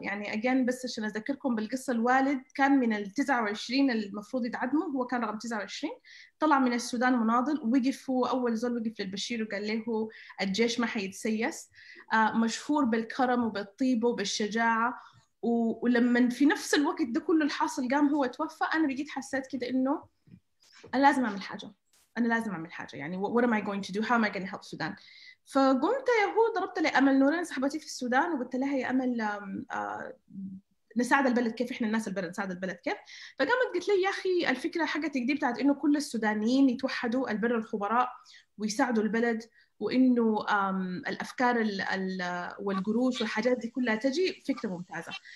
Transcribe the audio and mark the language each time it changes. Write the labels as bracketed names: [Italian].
[Arabic] يعني أجان بس عشان أذكركم بالقصة، الوالد كان من 29 المفروض يدعمه، هو كان رقم 29، طلع من السودان مناضل ووقف، هو أول زول وقف للبشير وقال له الجيش ما حيتسيس. مشهور بالكرم وبالطيبة وبالشجاعة. ولما في نفس الوقت ده كله الحاصل قام هو توفى، أنا بجد حسيت كده إنه أنا لازم أعمل حاجة. [English] يعني what am I going to do, how am I going to help Sudan. [Arabic] فقمت يا هو ضربت لي أمل نورين صاحبتي في السودان وقلت لها يا أمل نساعد البلد كيف، إحنا الناس البلد نساعد البلد كيف. فقامت قلت لي يا أخي الفكرة حقتك دي بتاعت إنه كل السودانيين يتوحدوا البر الخبراء ويساعدوا البلد، وإنه الأفكار والقروش والحاجات دي كلها تجي، فكرة ممتازة.